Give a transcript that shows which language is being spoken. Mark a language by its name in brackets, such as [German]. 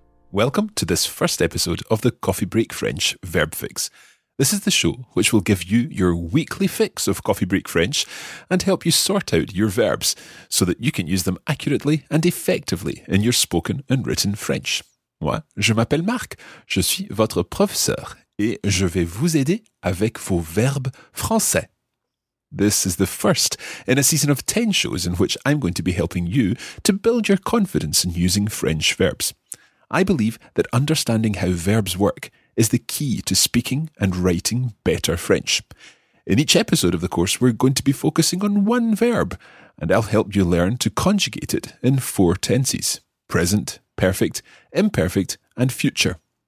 [English] Welcome to this first episode of the Coffee Break French Verb Fix. This is the show which will give you your weekly fix of Coffee Break French and help you sort out your verbs so that you can use them accurately and effectively in your spoken and written French. [French] Moi, je m'appelle Marc, je suis votre professeur et je vais vous aider avec vos verbes français. [English] This is the first in a season of 10 shows in which I'm going to be helping you to build your confidence in using French verbs. I believe that understanding how verbs work is the key to speaking and writing better French. In each episode of the course, we're going to be focusing on one verb, and I'll help you learn to conjugate it in four tenses: present, perfect, imperfect, and future.